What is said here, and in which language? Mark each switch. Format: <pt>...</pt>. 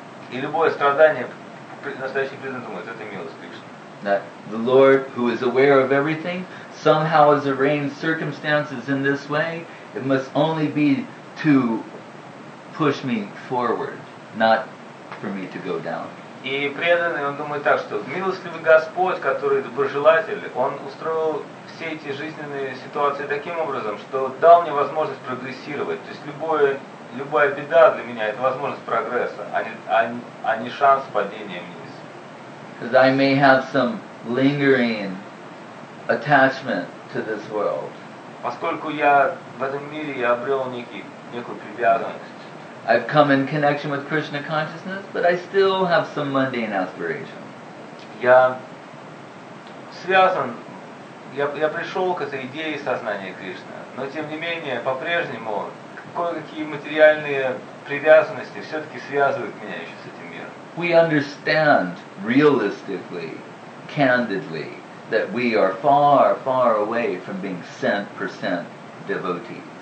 <ru>И любое страдание, настоящий преданный думает, это милость Кришны.</ru> <en>That the Lord, who is aware of everything, somehow has arranged circumstances in this way, it must only be to push me forward, not for me to go down.</en> <ru>И преданный, он думает так, что милостливый Господь, который доброжелатель, он устроил все эти жизненные ситуации таким образом, что дал мне возможность прогрессировать. То есть любая беда для меня – это возможность прогресса, а не шанс падения вниз.</ru> <en>Because I may have some lingering attachment to this world.</en> <ru>Поскольку я в этом мире, я обрел некую привязанность.</ru> <en>I've come in connection with Krishna consciousness, but I still have some mundane aspiration.</en> <ru>Я связан, я пришел к этой идее сознания Кришны, но тем не менее, по-прежнему, кое-какие материальные привязанности все-таки связывают меня еще с этим миром.</ru> <en>We understand realistically, candidly, that we are far, far away from being 100% devotees.</en>